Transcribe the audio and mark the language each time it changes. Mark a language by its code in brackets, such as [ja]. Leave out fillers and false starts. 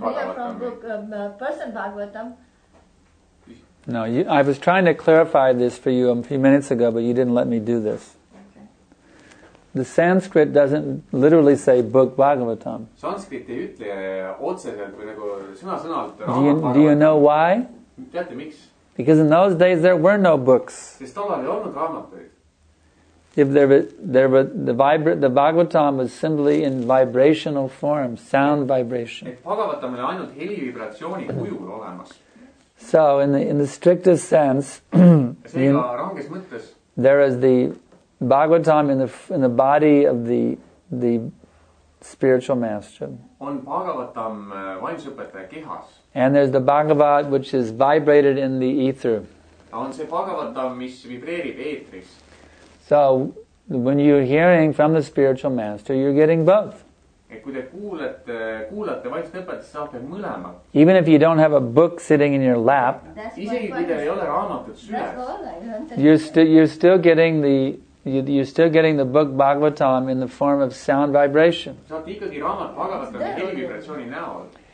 [en] But they can hear from book, person Bhagavatam. No, I was trying to clarify this for you a few minutes ago, but you didn't let me do this. Okay. The Sanskrit doesn't literally say book Bhagavatam. [et] Sanskrit ei ütle otseselt või nagu sõna-sõnalt. [en] Do you know why? [et] Teate miks? [en] Because in those days there were no books. If the Bhagavatam was simply in vibrational form, sound vibration. So in the strictest sense, there is the Bhagavatam in the body of the spiritual master. [et] On Bhagavatam vaimse õpetaja kehas. [en] And there's the Bhagavad which is vibrated in the ether. [et] On see Bhagavatam, mis vibreerib eetris. [en] So when you're hearing from the spiritual master, you're getting both. [et] Et kui te kuulate vaimse õpetaja, saate mõlemat. [en] Even if you don't have a book sitting in your lap, [et] isegi kui teil ei ole raamatut süles, [en] you're still getting the book Bhagavatam in the form of sound vibration. [et] Saate ikkagi raamat Bhagavatam heli vibratsiooni näol.